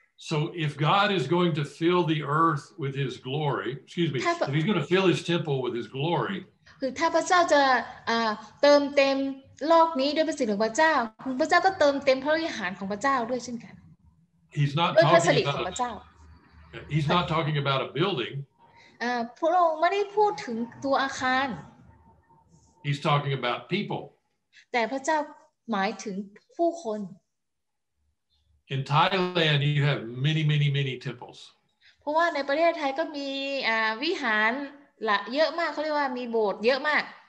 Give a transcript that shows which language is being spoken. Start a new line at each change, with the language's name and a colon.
English: So if God is going to fill the earth with his glory, excuse me, if he's going to fill his temple with his glory,
Thai: คือถ้าพระเจ้าจะเติมเต็มโลกนี้ด้วยพระสิริของพระเจ้าพระเจ้าก็เติมเต็มพระวิหารของพระเจ้าด้วยเช่นกัน
English: He's not talking about พระเจ้า He's not talking about a building.
Thai: พระองค์ไม่ได้พูดถึงตัวอาคาร
English: He's talking about people.
Thai: แต่พระเจ้าหมายถึงผู้คน
English: In Thailand, you have many, many, many temples. Because in Thailand, there are many temples. They call it many temples.